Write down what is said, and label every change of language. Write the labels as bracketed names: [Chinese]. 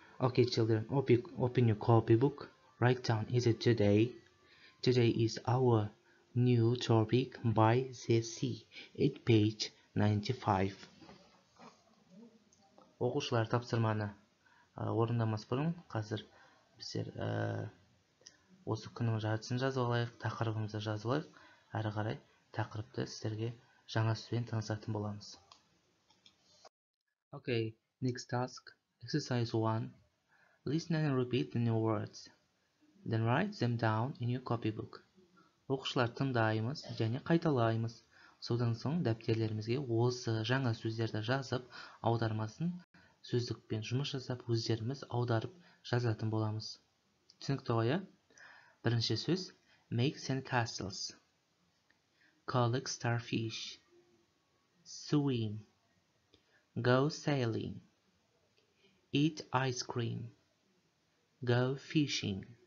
[English] Okay, children, open your copybook. Write down, is it today? Today is our new topic by ZC. At page 95. [Kazakh] Оқушылар тапсырманы орындамас бұрын қазір. Біздер осы күннің жартысын жазып алайық, тақырыбымызды жазып алайық, әрі қарай тақырыпты сіздерге жаңа сөзбен танысатын боламыз. [English] Okay, next task. Exercise 1. Listen and repeat the new words. Then write them down in your copybook. [Kazakh] Оқушылар, тыңдаймыз және қайталаймыз. Содан соң дәптерлерімізге осы жаңа сөздерді жазып, аудармасын сөздікпен жұмыс жасап, өздеріміз аударып жазатын боламыз. Түсінікті ғой? Бірінші сөз: [English] make sandcastles, collect starfish, swim, go sailing, eat ice cream, go fishing.